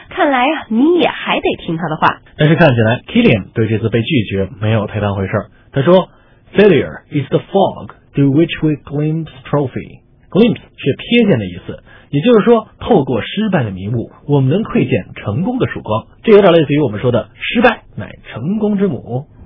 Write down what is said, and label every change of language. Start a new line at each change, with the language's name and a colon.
Chinese: 看来啊，你也还得听他的话。但是看起来 Killian 对这次被拒绝没有太当回事，他说
English: Failure is the fog through which we glimpse trophy.
Chinese: Glimpse 是瞥见的意思，也就是说透过失败的迷雾我们能窥见成功的曙光，这有点类似于我们说的失败乃成功之母。